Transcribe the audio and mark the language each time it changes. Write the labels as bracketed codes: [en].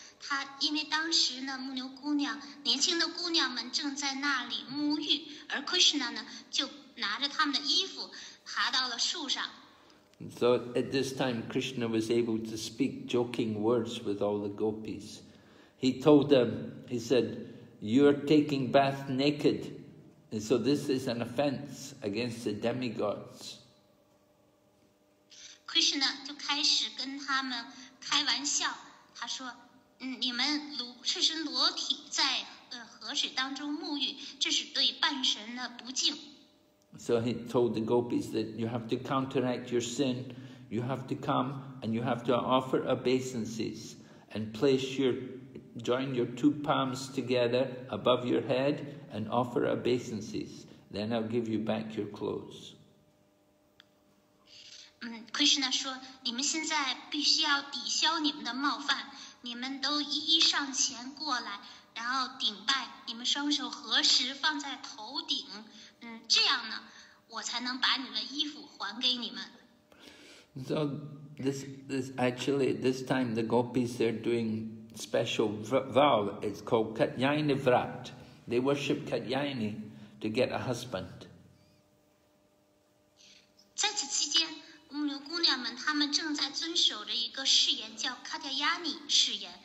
[zh] 他因为当时呢牧牛姑娘年轻的姑娘们正在那里沐浴，而 Krishna 呢就拿着他们的衣服爬到了树上。 [en] So at this time, Krishna was able to speak joking words with all the gopis. He told them, he said, you're taking bath naked. And so this is an offense against the demigods. [zh] Krishna 就开始跟他们开玩笑。他说，你们赤身裸体在河水当中沐浴，这是对半神的不敬。 [en] So he told the gopis that you have to counteract your sin. You have to come and you have to offer obeisances and place your... Join your two palms together above your head and offer obeisances. Then I'll give you back your clothes. [zh] Krishna 说，你们现在必须要抵消你们的冒犯，你们都一一上前过来，然后顶拜，你们双手合十放在头顶，这样呢，我才能把你们的衣服还给你们。 [en] So this actually this time the gopis are doing. Special vow is called Katyayani Vrat. They worship Katyayani to get a husband. [zh] 在此期间，牧牛姑娘们她们正在遵守着一个誓言，叫 Katyayani 誓言。